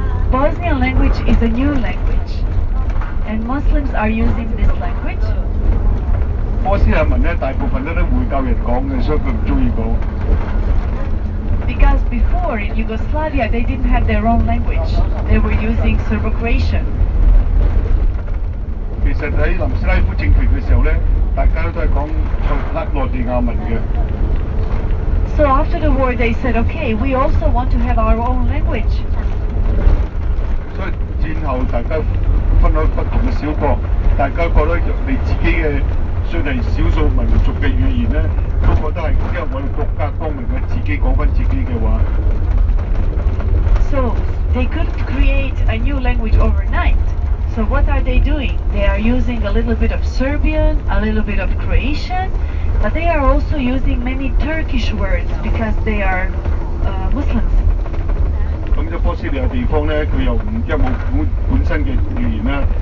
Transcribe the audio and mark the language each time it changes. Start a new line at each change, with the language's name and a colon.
English: Bosnian language is a new language, and Muslims are using this language.
Cantonese: 波斯尼亞文咧，大部分咧都會教人講嘅，所以佢唔中意講。
English: Because before in Yugoslavia they didn't have their own language, they were using Serbo-Croatian.
Cantonese: 其實喺南斯拉夫政權嘅時候咧。大家都係講克羅地亞文嘅。
English: So after the war, they said, "Okay, we also want to have our own language."
Cantonese: 所以戰後大家分開不同嘅小國，大家覺得你自己嘅雖然少數民族嘅語言咧，都覺得係因為我哋國家光明嘅自己講翻自己嘅話。
English: So they couldn't create a new language overnight. So what are they doing? They are using a little bit of Serbian, a little bit of Croatian, but they are also using many Turkish words because they are Muslims.
Cantonese: 咁就波斯尼亞地方咧，佢又唔即係冇本身嘅語言啦。